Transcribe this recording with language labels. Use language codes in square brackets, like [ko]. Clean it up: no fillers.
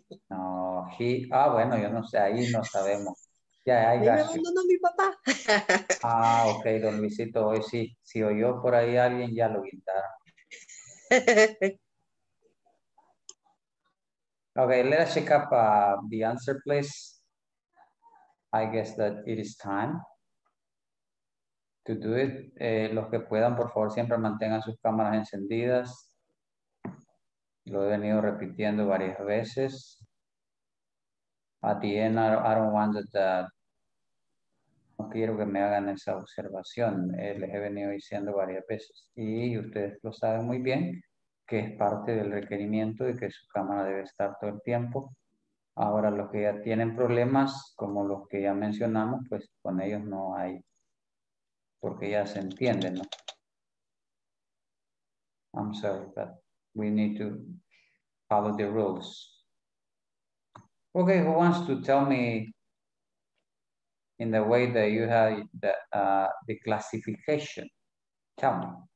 [es] No, bueno, yo no sé, ahí no sabemos. Ya, ahí me abandonó mi papá. Ah, ok, Don Luisito, hoy sí. Si oyó por ahí alguien, ya lo quitaron. [en] Okay, let us check up the answer, please. I guess that it is time to do it. [es] Los que puedan, por favor, siempre mantengan sus cámaras encendidas. Lo he venido repitiendo varias veces. [en] At the end, [es] no quiero que me hagan esa observación. Les he venido diciendo varias veces. Y ustedes lo saben muy bien, que es parte del requerimiento de que su cámara debe estar todo el tiempo. Ahora, los que ya tienen problemas, como los que ya mencionamos, pues con ellos no hay, porque ya se entienden, ¿no? [en] I'm sorry, but we need to follow the rules. Okay, who wants to tell me in the way that you have the classification? Tell me.